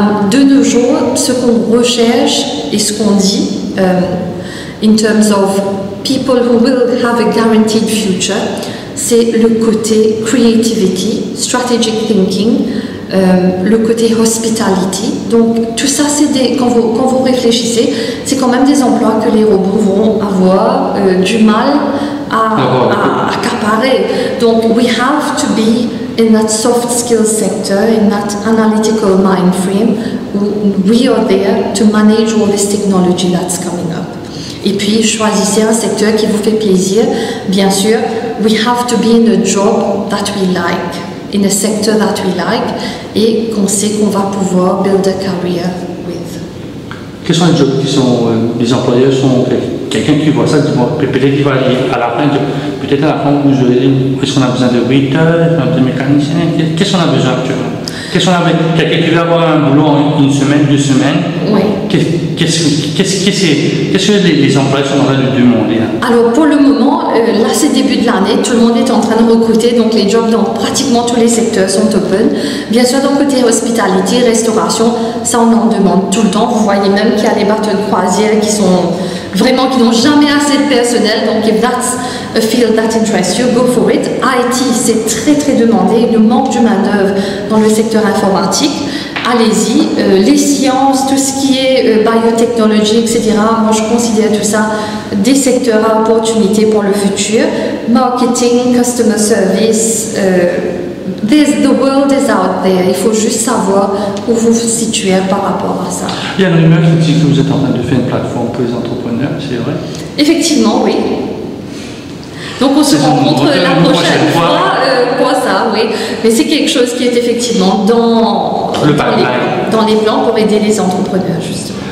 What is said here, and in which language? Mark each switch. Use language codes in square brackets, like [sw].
[fr] De nos jours, ce qu'on recherche et ce qu'on dit, [en] in terms of people who will have a guaranteed future, [fr] c'est le côté creativity, [en] strategic thinking, [fr] le côté hospitality. Donc tout ça, c'est des, quand vous réfléchissez, c'est quand même des emplois que les robots vont avoir du mal à accaparer. [en] Donc we have to be in that soft skills sector, in that analytical mind frame, we are there to manage all this technology that's coming up. [fr] Et puis choisissez un secteur qui vous fait plaisir. Bien sûr, [en] we have to be in a job that we like, in a sector that we like, [fr] et qu'on sait qu'on va pouvoir [en] build a career with. [fr] Quels sont les jobs qui sont, les employeurs sont, quelqu'un qui voit ça, peut-être qu'il va aller à la fin, peut-être à la fin, vous allez dire, est-ce qu'on a besoin de 8 heures, de mécaniciens, qu'est-ce qu'on a besoin actuellement? Quelqu'un qui va avoir un boulot en une semaine, 2 semaines, oui. Qu'est-ce que les employés sont en train de demander? Alors pour le moment, là c'est début de l'année, tout le monde est en train de recruter, donc les jobs dans pratiquement tous les secteurs sont open. Bien sûr, dans le côté hospitalité, restauration, ça on en demande tout le temps. Vous voyez même qu'il y a les bateaux de croisière qui sont vraiment, qui n'ont jamais assez de personnel. [en] Donc if that's a field that interests you, go for it. [fr] IT, c'est très très demandé, il nous manque du main-d'œuvre dans le secteur informatique. Allez-y, les sciences, tout ce qui est biotechnologie, etc. Moi, je considère tout ça des secteurs à opportunité pour le futur. [en] Marketing, customer service, the world is out there. [fr] Il faut juste savoir où vous vous situez par rapport à ça. Il y a une rumeur qui dit que vous êtes en train de faire une plateforme pour les entrepreneurs, c'est vrai? Effectivement, oui. Donc on se rencontre la prochaine fois, quoi ça, oui. Mais c'est quelque chose qui est effectivement dans les plans pour aider les entrepreneurs, justement.